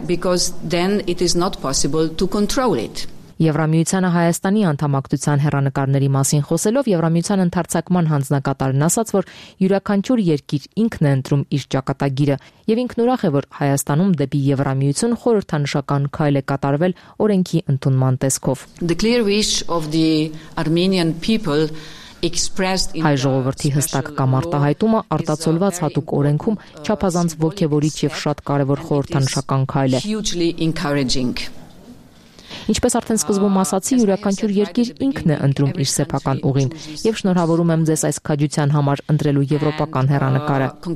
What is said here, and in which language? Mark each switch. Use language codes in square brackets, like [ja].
[en] Because then it is not possible to control it. [hy] Եվրամիությանը Հայաստանի անդամակցության հեռանկարների մասին խոսելով Եվրամիության ընդարձակման հանձնակատարն ասաց, որ յուրաքանչյուր երկիր ինքն է ընտրում իր ճակատագիրը, եւ ինքն ուրախ է, որ Հայաստանում դեպի Եվրամիություն խորհրդանշական քայլ է կատարվել օրենքի ընդունման տեսքով։ [en] The clear wish of the Armenian people expressed in [hy] Հայ ժողովրդի հստակ կամ արտահայտումը արտացոլված հատուկ օրենքում չափազանց ոգևորիչ եւ շատ կարեւոր խորհրդանշական քայլ է։ Ինչպես արդեն սկզբում ասացի, յուրաքանչյուր երկիր ինքն է ընտրում իր սեփական ուղին, եւ շնորհավորում եմ ձեզ այս քաջության համար ընտրելու եվրոպական հեռանկարը։